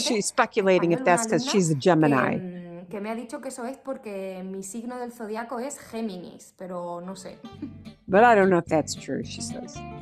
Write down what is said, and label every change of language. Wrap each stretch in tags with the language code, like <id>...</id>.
<en>She's speculating if that's because she's a Gemini.</en> <es>Que me ha dicho que eso es porque mi signo del zodiaco es Géminis, pero no sé.</es> <en>But I don't know if that's true, she says.</en>